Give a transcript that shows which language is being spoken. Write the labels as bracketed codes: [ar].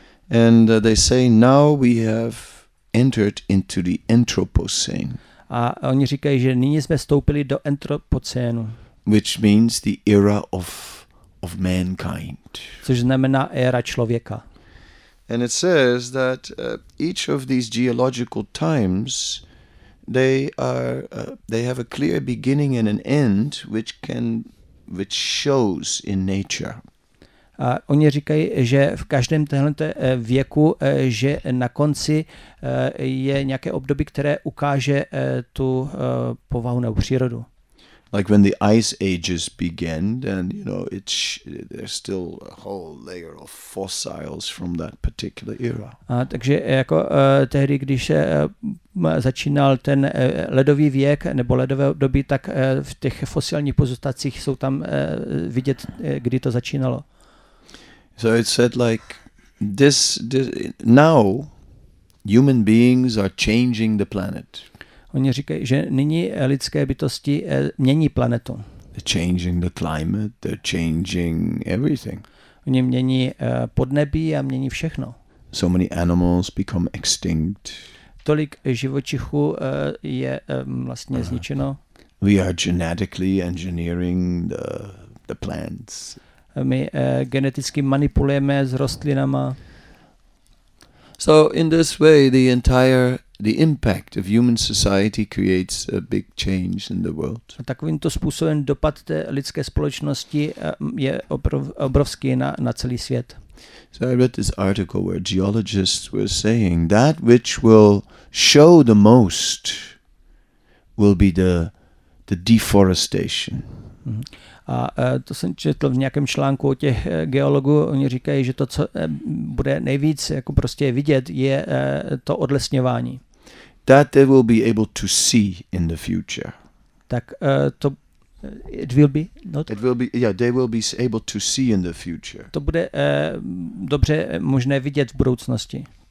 [en] And they say now we have entered into the Anthropocene. [cs] A oni říkají, že nyní jsme vstoupili do antropocénu. [en] Which means the era of mankind. [cs] Což znamená éra člověka. [en] And it says that each of these geological times they have a clear beginning and an end which shows in nature. [cs] A oni říkají, že v každém tomto věku, že na konci je nějaké období, které ukáže tu povahu nebo přírodu. [en] Like when the ice ages began, then you know there's still a whole layer of fossils from that particular era. [cs] A takže jako tehdy, když se začínal ten ledový věk nebo ledové období, tak v těch fosilních pozůstatcích jsou tam vidět, kdy to začínalo. [en] So it said like this now human beings are changing the planet. [cs] Oni říkají, že nyní lidské bytosti mění planetu. [en] They're changing the climate, they're changing everything. [cs] Oni mění podnebí a mění všechno. [en] So many animals become extinct. [cs] Tolik živočichů je vlastně zničeno. [en] We are genetically engineering the the plants. [cs] My geneticky manipulujeme s rostlinama. [en] So in this way the impact of human society creates a big change in the world. [cs] Takovýmto způsobem dopad té lidské společnosti je obrovský na celý svět. [en] So I read this article where geologists were saying that which will show the most will be the deforestation. [cs] A to jsem četl v nějakém článku o těch geologů, oni říkají, že to, co bude nejvíc jako prostě vidět, je to odlesňování. [en] That they will be able to see in the future. [cs] Tak to [en] it will be not. It will be yeah, they will be able to see in the future. [cs] To bude dobře možné vidět v budoucnosti.